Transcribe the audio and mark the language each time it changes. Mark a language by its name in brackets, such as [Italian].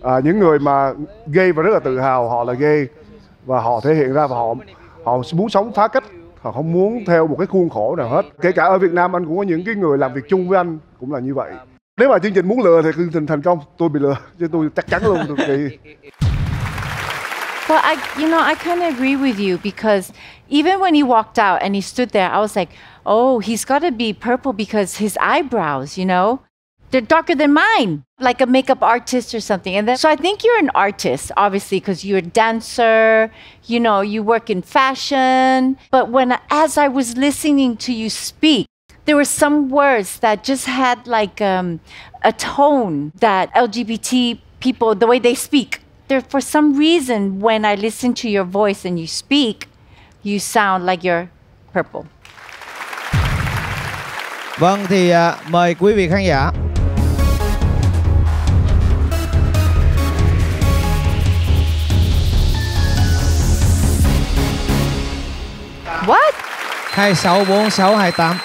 [Vietnamese] Những người mà gay và rất là tự hào họ là gay và họ thể hiện ra và họ muốn sống phá cách, họ không muốn theo một cái khuôn khổ nào hết. Kể cả ở Việt Nam anh cũng có những cái người làm việc chung với anh cũng là như vậy. Nếu mà chương trình muốn lừa thì chương trình thành công, tôi bị lừa chứ tôi chắc chắn luôn được kỳ. [English] Well, I kind of agree with you because even when he walked out and he stood there, I was like, oh, he's got to be purple because his eyebrows, you know, they're darker than mine, like a makeup artist or something. And then, so I think you're an artist, obviously, because you're a dancer, you know, you work in fashion. But when, as I was listening to you speak, there were some words that just had like a tone that LGBT people, the way they speak. There, for some reason, when I listen to your voice and you speak, you sound like you're purple. [Vietnamese] Vâng, thì mời quý vị khán giả. [English] What? 264628.